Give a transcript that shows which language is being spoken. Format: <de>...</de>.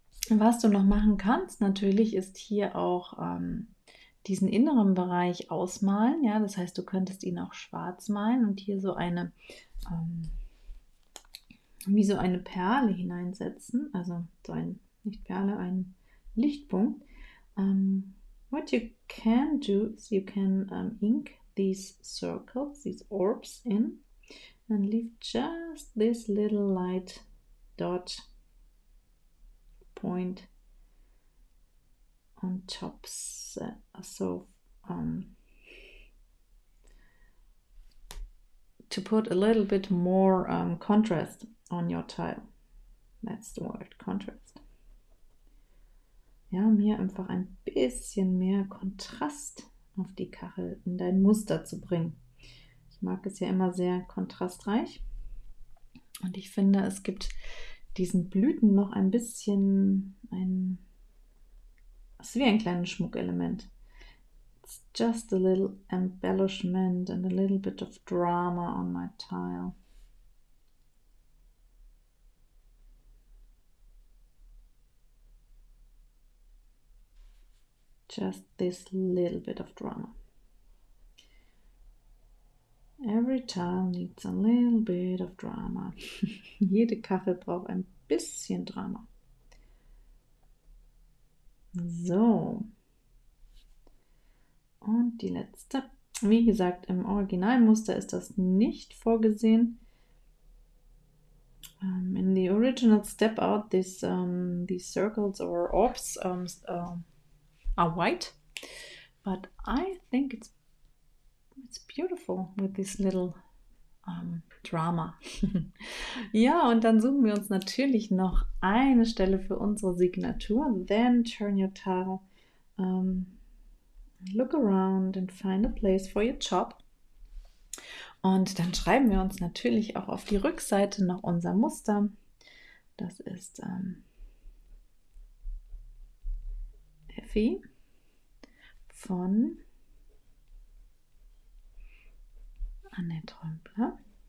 <de>was du noch machen kannst, natürlich, ist hier auch diesen inneren Bereich ausmalen. Ja, das heißt, du könntest ihn auch schwarz malen und hier so eine wie so eine Perle hineinsetzen. Also so ein nicht Perle, ein Lichtpunkt.</de> <en>What you can do is you can ink these circles, these orbs in. And leave just this little light dot point on top, to put a little bit more contrast on your tile. That's the word, contrast.</en> <de>Ja, um hier einfach ein bisschen mehr Kontrast auf die Kachel in dein Muster zu bringen. Ich mag es ja immer sehr kontrastreich und ich finde, es gibt diesen Blüten noch ein bisschen ein, es ist wie ein kleines Schmuckelement.</de> <en>It's just a little embellishment and a little bit of drama on my tile. Just Just this little bit of drama. Every child needs a little bit of drama.</en> <de>Jede Kachel braucht ein bisschen Drama. So. Und die letzte. Wie gesagt, im Originalmuster ist das nicht vorgesehen.</de> <en>In the original step out, these circles or orbs are white. But I think it's beautiful with this little drama.</en> <de>Ja, und dann suchen wir uns natürlich noch eine Stelle für unsere Signatur.</de> <en>Then turn your tail. Look around and find a place for your chop.</en> <de>Und dann schreiben wir uns natürlich auch auf die Rückseite noch unser Muster. Das ist Effie von Annette Römpler.</de>